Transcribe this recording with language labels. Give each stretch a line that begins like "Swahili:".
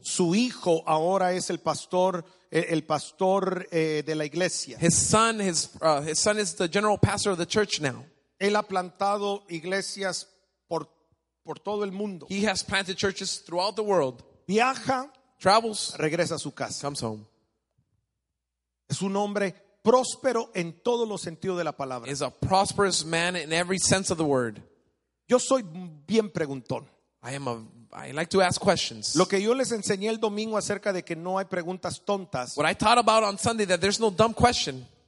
Spanish: Su hijo ahora es el pastor de la iglesia.
English: His son is the general pastor of the church now.
Spanish: Él ha plantado iglesias por todo el mundo.
English: He has planted churches throughout the world.
Spanish: Viaja,
English: travels,
Spanish: regresa a su casa.
English: Comes home.
Spanish: Es un hombre próspero en todos los sentidos de la palabra.
English: Is a prosperous man in every sense of the word.
Spanish: Yo soy bien preguntón.
English: I like to ask questions.
Spanish: Lo que yo les enseñé el domingo acerca de que no hay preguntas tontas.
English: What I taught about on Sunday that there's no dumb question.